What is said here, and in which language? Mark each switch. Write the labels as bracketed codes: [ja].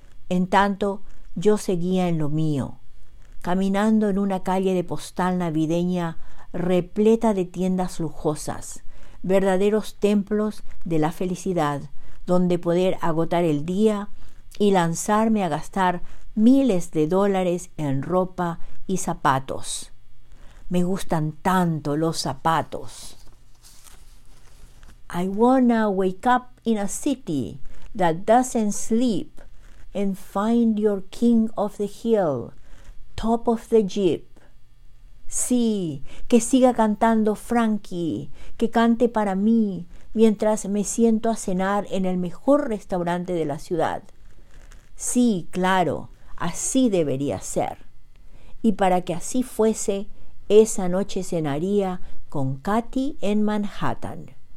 [es] En tanto, yo seguía en lo mío, caminando en una calle de postal navideña repleta de tiendas lujosas, verdaderos templos de la felicidad, donde poder agotar el día y lanzarme a gastar miles de dólares en ropa y zapatos. Me gustan tanto los zapatos. [en] I wanna wake up in a city that doesn't sleep and find your king of the hill, top of the jeep. [es] Sí, que siga cantando Frankie, que cante para mí mientras me siento a cenar en el mejor restaurante de la ciudad. Sí, claro, así debería ser. Y para que así fuese, esa noche cenaría con Katy en Manhattan.